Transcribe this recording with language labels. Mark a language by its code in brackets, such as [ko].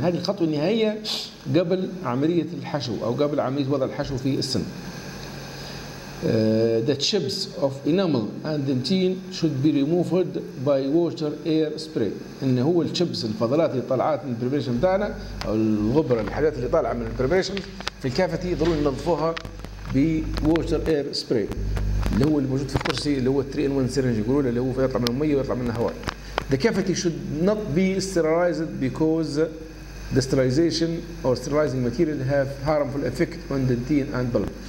[ar] هذه الخطوة النهائية قبل عملية الحشو أو قبل عملية وضع الحشو في السن. [en] The chips of enamel and dentine should be removed by water air spray. [ar] إن هو الشيبس الفضلات اللي طلعت من البريبريشن بتاعنا أو الغبرة الحاجات اللي طالعة من البريبريشن في الكافيتي ضروري ننظفوها ب [en] water air spray [ar] اللي هو الموجود في الكرسي اللي هو [en] 3 in 1 syringe [ar] يقولون اللي هو يطلع منه مية ويطلع منه هواء. [en] The cavity should not be sterilized because the sterilization or sterilizing material have harmful effect on dentine and bulb.